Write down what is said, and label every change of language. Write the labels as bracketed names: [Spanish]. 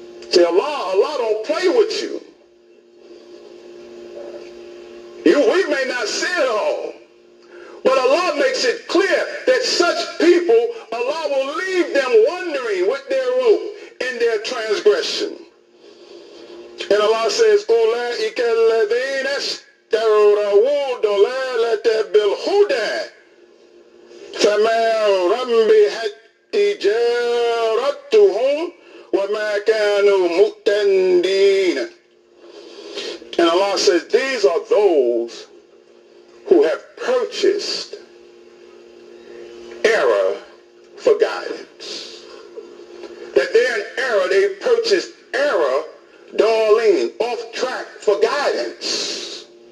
[English] See, Allah don't play with you. We may not see it all, but Allah makes it clear that such people, Allah will leave them wandering with their rope in their transgression. And Allah says, [Arabic] أُولَٰئِكَ الَّذِينَ اسْتَرَوُوا ضَلَالَةَ بِالْهُدَىٰ فَمَا رَبِحَتْ تِجَارَتُهُمْ وَمَا كَانُوا مُهْتَدِينَ. [English] And Allah says, these are those who have purchased error for guidance. That they're in error, they purchased error, darling, off track for guidance.